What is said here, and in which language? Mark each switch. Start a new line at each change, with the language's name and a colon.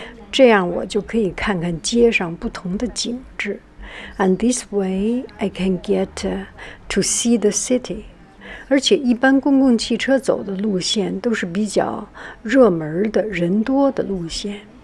Chinese: 这样我就可以看看街上不同的景致。
English: And this way, I can get to see the city.
Chinese: 而且一般公共汽车走的路线都是比较热门的人多的路线。